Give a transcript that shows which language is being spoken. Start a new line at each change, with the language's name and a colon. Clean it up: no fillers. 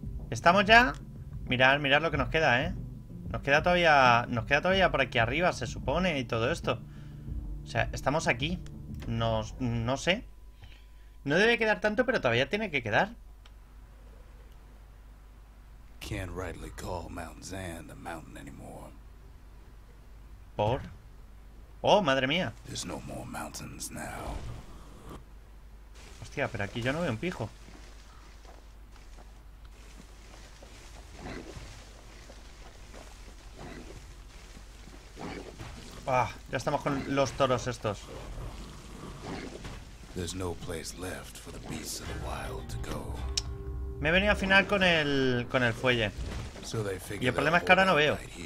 Spanish: ¿Estamos ya? Mirad lo que nos queda, ¿eh? Nos queda todavía por aquí arriba, se supone, y todo esto. O sea, estamos aquí. No sé. No debe quedar tanto, pero todavía tiene que quedar.
English: Can't rightly call Mount Zan a mountain anymore.
Spanish: ¿Por? Oh, madre mía.
English: There's no more mountains now.
Spanish: Hostia, pero aquí yo no veo un pijo. Ah, ya estamos con los toros estos.
English: There's no place left for the beasts of the wild to go.
Spanish: Me he venido al final con el fuelle. Y el problema es que ahora no veo.